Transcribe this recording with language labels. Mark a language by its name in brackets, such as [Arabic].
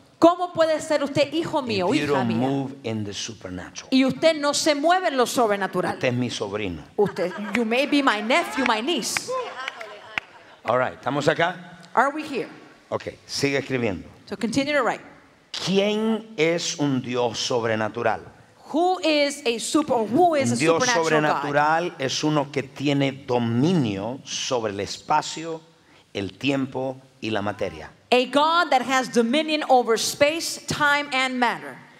[Spanish] ¿Cómo puede ser usted hijo mío, hija mía? [English] Move in the supernatural. [Spanish] Y usted no se mueve en lo sobrenatural. Usted es mi sobrino. Usted, [English] you may be my nephew, my niece. All right, [Spanish] ¿estamos acá? [English] Are we here? [Spanish] Okay, sigue escribiendo. [English] So continue to write. [Spanish] ¿Quién es un Dios sobrenatural? [English] Who is a super? Who is [Spanish] un [English] a supernatural [Spanish] Dios sobrenatural God? Es uno que tiene dominio sobre el espacio, el tiempo y la materia. [English] A God that has dominion over space, time, and matter.